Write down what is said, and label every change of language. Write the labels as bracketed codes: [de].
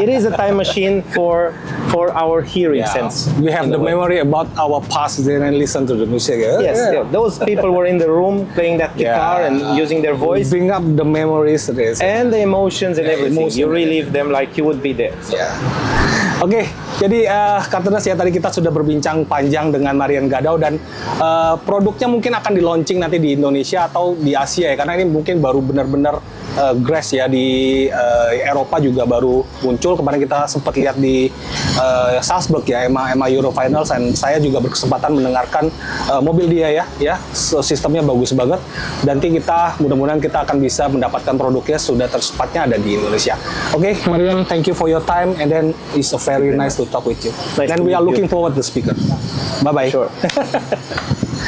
[en] It is a time machine for our hearing sense. We have the memory about our past then and listen to the music. Yes. Those people were in the room playing that guitar and using their voice. Bring up the memories. And the emotions and everything. Emotion. You relive them like you would be there. So. Yeah. Okay. [id] Jadi Cartens ya, tadi kita sudah berbincang panjang dengan Marian Gadau, dan produknya mungkin akan di launching nanti di Indonesia atau di Asia ya, karena ini mungkin baru benar-benar Grass ya di Eropa juga baru muncul. Kemarin kita sempat lihat di Salzburg ya, EMA Euro Finals, dan saya juga berkesempatan mendengarkan mobil dia ya, sistemnya bagus banget. Nanti kita mudah-mudahan kita akan bisa mendapatkan produknya sudah tercepatnya ada di Indonesia. Oke, [en] okay, Marian, thank you for your time, and then it's a very nice to talk with you. Nice, and we are looking forward to the speaker. Bye bye. Sure.